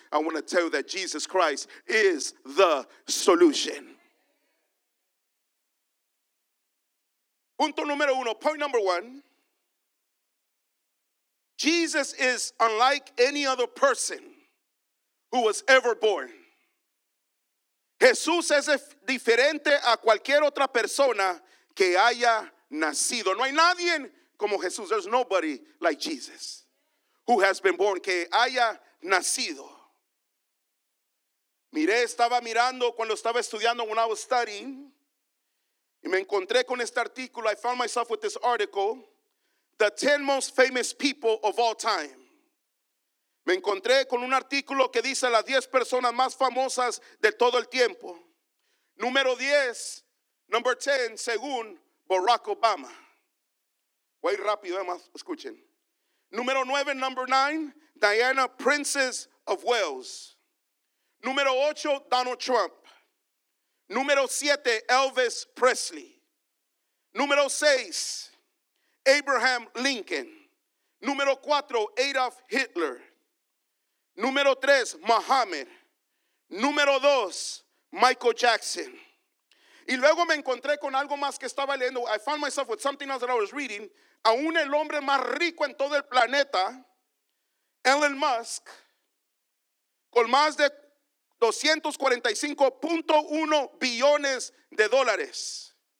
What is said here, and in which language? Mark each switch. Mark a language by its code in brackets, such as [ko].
[en] I want to tell you that Jesus Christ is the solution. [es] Punto número uno, [en] point number one. Jesus is unlike any other person who was ever born. [es] Jesús es diferente a cualquier otra persona que haya nacido. No hay nadie como Jesús. [en] There's nobody like Jesus who has been born, [es] que haya nacido. Miré, estaba mirando cuando estaba estudiando, [en] when I was studying, [es] y me encontré con este artículo. [en] I found myself with this article, The 10 Most Famous People of All Time. [es] Me encontré con un artículo que dice las 10 personas más famosas de todo el tiempo. Número 10, [en] number 10, [es] según Barack Obama. Voy rápido, además, escuchen. Número 9, [en] number 9, [es] Diana, Princess of Wales. Número 8, Donald Trump. Número 7, Elvis Presley. Número 6, Abraham Lincoln. Número 4, Adolf Hitler. Número 3, Muhammad. Número 2, Michael Jackson. Y luego me encontré con algo más que estaba leyendo. [en] I found myself with something else that I was reading. [es] Aún el hombre más rico en todo el planeta, Elon Musk, con más de 245.1 billones de dólares.